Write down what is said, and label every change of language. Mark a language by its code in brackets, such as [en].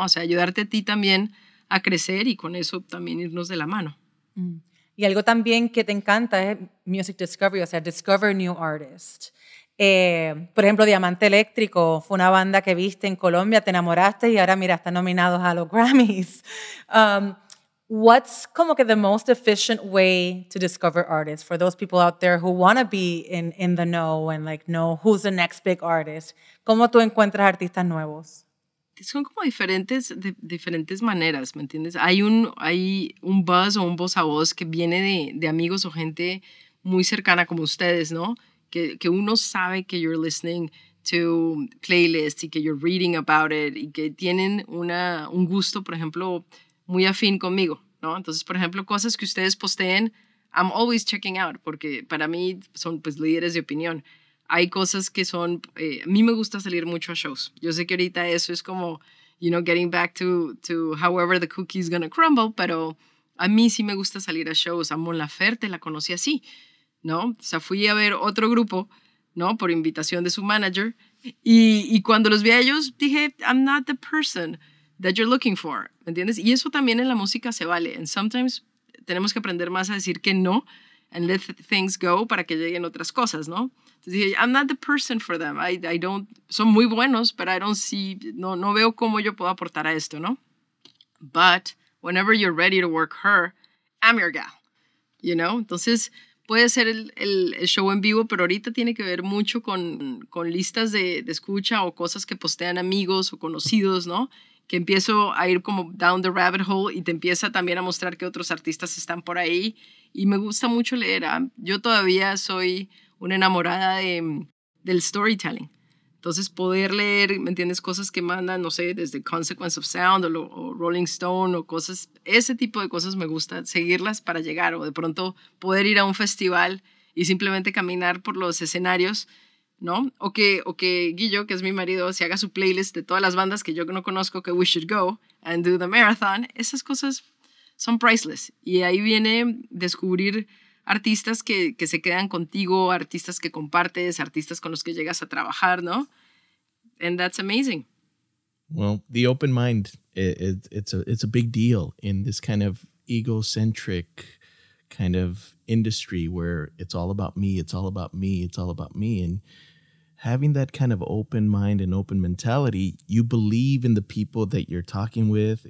[es] O sea, ayudarte a ti también a crecer y con eso también irnos de la mano. Y algo también que te encanta es Music Discovery, o sea, [en] Discover New Artists. [es] Por ejemplo, Diamante Eléctrico fue una banda que viste en Colombia, te enamoraste y ahora mira, están nominados a los Grammys. [en] What's [es] como que [en] the most efficient way to discover artists for those people out there who want to be in the know and like know who's the next big artist? [es] ¿Cómo tú encuentras artistas nuevos? Son como diferentes maneras, ¿me entiendes? Hay un buzz o un voz a voz que viene de amigos o gente muy cercana como ustedes, ¿no? Que uno sabe que [en] you're listening to playlists [es] y que [en] you're reading about it [es] y que tienen un gusto, por ejemplo, muy afín conmigo, ¿no? Entonces, por ejemplo, cosas que ustedes posteen, [en] I'm always checking out [es] porque para mí son pues líderes de opinión. Hay cosas que son, a mí me gusta salir mucho a shows. Yo sé que ahorita eso es como, [en] you know, getting back to however the cookie is gonna crumble, [es] pero a mí sí me gusta salir a shows. A Mon Laferte la conocí así, ¿no? O sea, fui a ver otro grupo, ¿no? Por invitación de su manager. Y cuando los vi a ellos, dije, [en] I'm not the person that you're looking for. [es] ¿Me entiendes? Y eso también en la música se vale. [en] And sometimes [es] tenemos que aprender más a decir que no [en] and let things go [es] para que lleguen otras cosas, ¿no? Entonces dije, [en] I'm not the person for them. [es] Son muy buenos, pero no veo cómo yo puedo aportar a esto, ¿no? [en] But whenever you're ready to work her, I'm your gal. You know? [es] Entonces, puede ser el show en vivo, pero ahorita tiene que ver mucho con listas de escucha o cosas que postean amigos o conocidos, ¿no? Que empiezo a ir como [en] down the rabbit hole [es] y te empieza también a mostrar que otros artistas están por ahí. Y me gusta mucho leer. Yo todavía soy una enamorada del storytelling. Entonces, poder leer, ¿me entiendes? Cosas que mandan, no sé, desde Consequence of Sound o Rolling Stone o cosas, ese tipo de cosas me gusta, seguirlas para llegar o de pronto poder ir a un festival y simplemente caminar por los escenarios, ¿no? O que Guillo, que es mi marido, se haga su playlist de todas las bandas que yo no conozco, que [en] we should go and do the marathon. [es] Esas cosas son priceless. Y ahí viene descubrir artistas que se quedan contigo, artistas que compartes, artistas con los que llegas a trabajar, ¿no? [en] And that's amazing. Well, the open mind, it's a big deal in this kind of egocentric kind of industry where it's all about me, it's all about me, it's all about me. And having that kind of open mind and open mentality, you believe in the people that you're talking with.